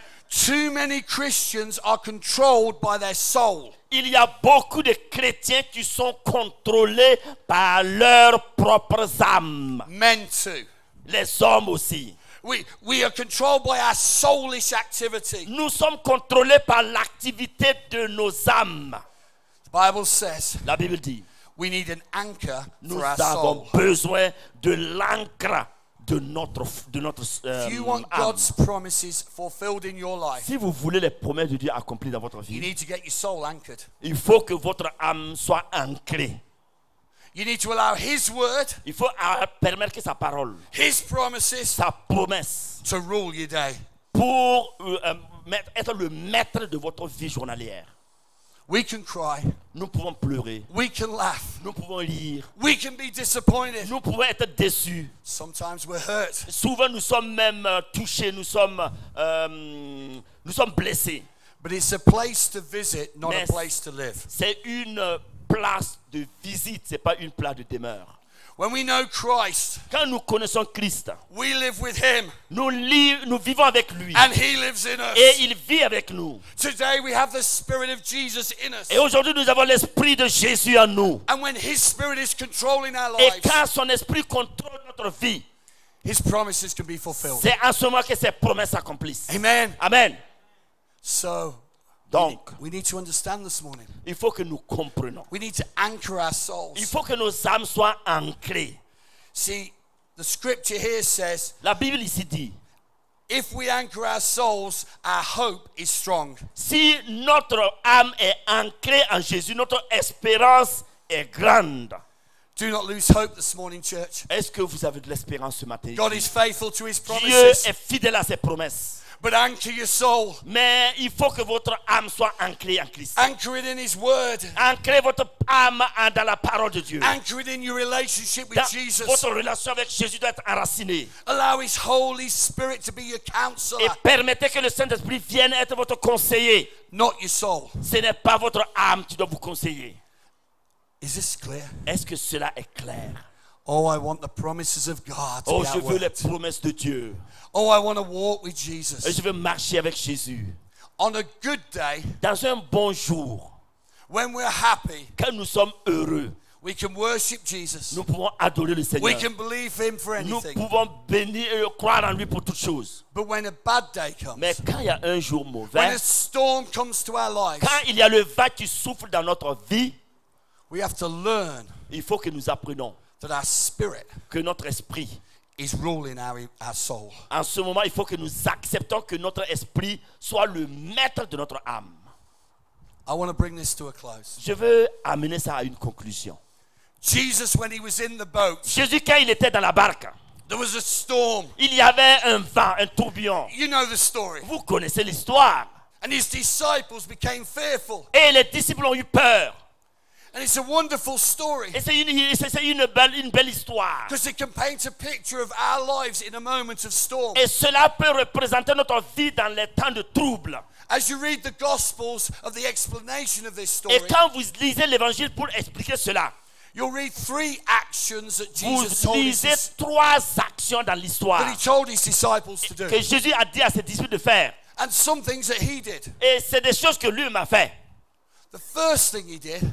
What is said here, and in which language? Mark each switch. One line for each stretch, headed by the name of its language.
English: Too many Christians are controlled by their soul.
French: Il y a beaucoup de chrétiens qui sont contrôlés par leurs propres âmes.
English: Men too.
French: Les hommes aussi.
English: We are controlled by our soulish activity.
French: Nous sommes contrôlés par l'activité de nos âmes.
English: The Bible says.
French: La Bible dit.
English: We need an anchor for our soul.
French: Nous avons besoin de l'ancre de notre
English: If you want God's promises fulfilled in your life,
French: si vous voulez les promesses de Dieu accomplies dans votre vie,
English: you need to get your soul anchored.
French: Il faut que votre âme soit ancrée.
English: You need to allow His word.
French: Il faut permettre que sa parole,
English: His promises,
French: sa promesse,
English: to rule your day.
French: Pour être le maître de votre vie journalière.
English: We can cry.
French: Nous pouvons pleurer.
English: We can laugh.
French: Nous pouvons rire.
English: We can be disappointed.
French: Nous pouvons être déçus.
English: Sometimes we're hurt.
French: Souvent nous sommes même touchés. Nous sommes blessés.
English: But it's a place to visit, not a place to live.
French: C'est une place de visite. C'est pas une place de demeure.
English: When we know Christ,
French: quand nous connaissons Christ,
English: we live with Him.
French: Nous vivons avec lui.
English: And He lives in us.
French: Et il vit avec nous.
English: Today we have the Spirit of Jesus in us.
French: Et aujourd'hui nous avons l'esprit de Jésus en nous.
English: And when His Spirit is controlling our lives,
French: et quand son esprit contrôle notre vie,
English: His promises can be fulfilled.
French: C'est en ce moment que ses promesses s'accomplissent.
English: Amen.
French: Amen.
English: So.
French: Donc,
English: we need to understand this morning.
French: Il faut que nous comprenions.
English: We need to anchor our souls.
French: Il faut que nos âmes soient ancrées.
English: See, the scripture here says,
French: la Bible ici dit,
English: if we anchor our souls, our hope is strong.
French: Si notre âme est ancrée en Jésus, notre espérance est grande.
English: Do not lose hope this morning, church.
French: Est-ce que vous avez de l'espérance ce matin?
English: God is faithful to His promises.
French: Dieu est fidèle à ses promesses.
English: But anchor your soul.
French: Mais il faut que votre âme soit ancrée en Christ.
English: Anchor it in His word.
French: Ancrez votre âme dans la parole de Dieu.
English: Anchor it in your relationship with Jesus.
French: Votre relation avec Jésus doit être enracinée.
English: Allow His Holy Spirit to be your counselor.
French: Et permettez que le Saint-Esprit vienne être votre conseiller.
English: Not your soul.
French: Ce n'est pas votre âme qui doit vous conseiller.
English: Is this clear?
French: Est-ce que cela est clair?
English: Oh, I want the promises of God.
French: Oh, je veux les promesses de Dieu.
English: Oh, I want to walk with Jesus.
French: Je veux marcher avec Jésus.
English: On a good day.
French: Dans un bon jour.
English: When we're happy.
French: Quand nous sommes heureux.
English: We can worship Jesus.
French: Nous pouvons adorer le Seigneur.
English: We can believe Him for anything.
French: Nous pouvons croire en lui pour toutes choses.
English: But when a bad day comes.
French: Mais quand il y a un jour mauvais.
English: When a storm comes to our lives.
French: Quand il y a le vent qui souffle dans notre vie.
English: We have to learn.
French: Il faut que nous apprenions.
English: That our spirit,
French: que notre esprit,
English: is ruling our soul.
French: En ce moment, il faut que nous acceptons que notre esprit soit le maître de notre âme.
English: I want to bring this to a close.
French: Je veux amener ça à une conclusion.
English: Jesus, when he was in the boat,
French: Jésus, quand il était dans la barque,
English: there was a storm.
French: Il y avait un vent, un tourbillon.
English: You know the story.
French: Vous connaissez l'histoire.
English: And his disciples became fearful.
French: Et les disciples ont eu peur.
English: And it's a wonderful story.
French: Et c'est une belle histoire.
English: Because it can paint a picture of our lives in a moment of storm.
French: Et cela peut représenter notre vie dans les temps de trouble.
English: As you read the Gospels of the explanation of this story.
French: Et quand vous lisez l'évangile pour expliquer cela.
English: You'll read three actions that Jesus told.
French: Vous lisez trois actions dans l'histoire.
English: That he told his disciples to do.
French: Que Jésus a dit à ses disciples de faire.
English: And some things that he did.
French: Et c'est des choses que lui m'a fait.
English: The first thing he did,